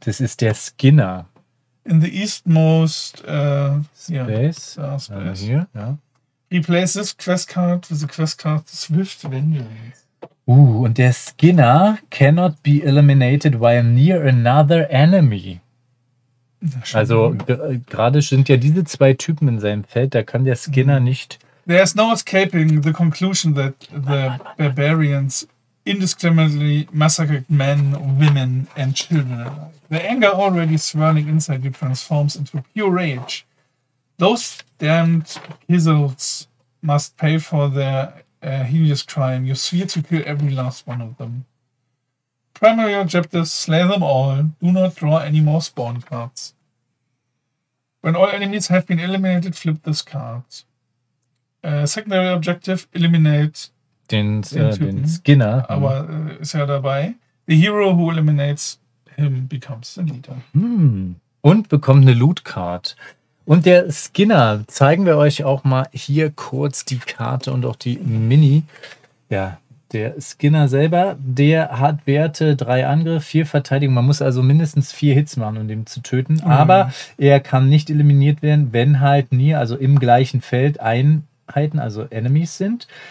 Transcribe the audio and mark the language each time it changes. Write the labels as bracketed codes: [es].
[en] This is der Skinner. In the eastmost space. Here. Yeah. Replace this quest card with the quest card Swift Vengeance. And der Skinner cannot be eliminated while near another enemy. [de] Also gerade sind ja diese zwei Typen in seinem Feld, da kann der Skinner nicht. [en] There is no escaping the conclusion that the barbarians indiscriminately massacred men, women and children. The anger already swirling inside you transforms into pure rage. Those damned hizzles must pay for their hideous crime. You swear to kill every last one of them. Primary objectives, slay them all. Do not draw any more spawn cards. When all enemies have been eliminated, flip this card. Secondary objective, eliminate [de] den Skinner. Aber ist ja dabei. [en] The hero who eliminates him becomes the leader. [de] Und bekommt eine Loot Card. Und der Skinner, zeigen wir euch auch mal hier kurz die Karte und auch die Mini. Ja. Der Skinner selber, der hat Werte 3 Angriff, 4 Verteidigung. Man muss also mindestens 4 Hits machen, um den zu töten. Mhm. Aber er kann nicht eliminiert werden, wenn halt nie, also im gleichen Feld, Einheiten, also Enemies sind.